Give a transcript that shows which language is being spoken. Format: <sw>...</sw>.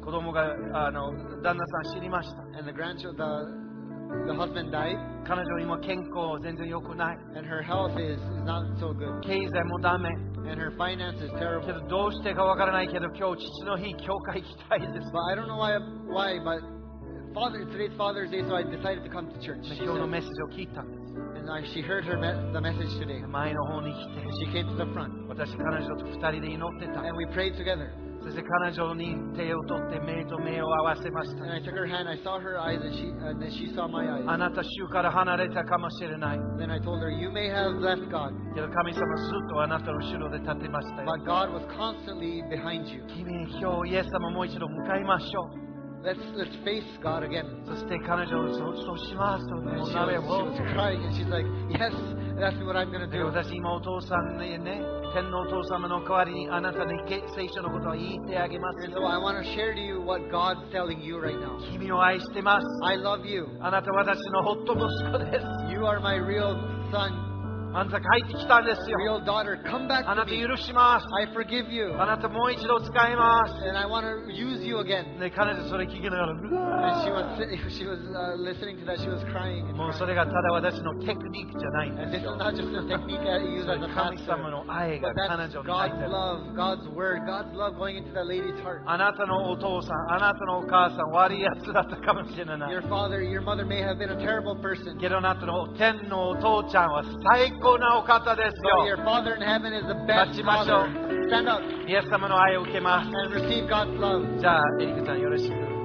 <ja>子供が、旦那さん死にました。</ja> <en>And the grandchildren. The husband died.</en> <ja>彼女今健康全然良くない。</ja> <en>And her health is not so good.</en> <ja>経済もダメ。</ja> <en>And her finance is terrible.</en> <ja>けどどうしてかわからないけど今日父の日教会行きたいです。</ja> <en>But I don't know why, but today's Father's Day, so I decided to come to church.</en> <ja>今日のメッセージを聞いたんです。</ja> <en>And she heard the message today.</en> <ja>前の方に来て。</ja> <en>And she came to the front.</en> <ja>私彼女と二人で祈ってた。</ja> <en>And we prayed together.</en> <ja>そして彼女に手を取って目と目を合わせました。</ja> <en>And I took her hand, I saw her eyes, and she saw my eyes.</en> <ja>あなた主から離れたかもしれない。</ja> <en>Then I told her, you may have left God.</en> <ja>けど神様ずっとあなたの後ろで立ってましたよ。</ja> <en>But God was constantly behind you.</en> <ja>君に今日イエス様もう一度向かいましょう。</ja> <en>Let's face God again.</en> <ja>そして彼女はそうしますと。</ja> <en>She was crying, and she's like, yes, that's what I'm going to do.</en> <ja>私今お父さんにね。天のお父様の代わりにあなたに聖書のことを言ってあげますよ。</ja> <en>So I want to share to you what God's telling you right now.</en> <ja>君を愛してます。</ja> <en>I love you.</en> <ja>あなた私の夫息子です。</ja> <en>You are my real son.</en> <ja>あなた帰ってきたんですよ。</ja> <en>Real daughter, come back.</en> <ja>あなた許します。</ja> <en>I forgive you.</en> <ja>あなたもう一度使います。</ja> <en>And I want to use you again.</en> <ja>で彼女それ聞きながら、</ja> <en>And she was listening to that. She was crying.</en> <ja>もうそれがただ私のテクニックじゃないんですよ。</ja> <en>And this is not just a technique that I use as a pastor.</en> <ja>神様の愛が彼女に入ってる。</ja> <en>God's love, God's word, God's love going into that lady's heart.</en> <ja>あなたのお父さん、あなたのお母さん、悪いやつだったかもしれない。</ja> <en>Your father, your mother may have been a terrible person.</en> <ja>けどあなたの天のお父ちゃんは最高。</ja> <en>So your Father in heaven is the best father. Stand up.</en> <ja>イエス様の愛を受けます。</ja> <en>And receive God's love.</en> <ja>じゃあ、エリクさんよろしく。</ja>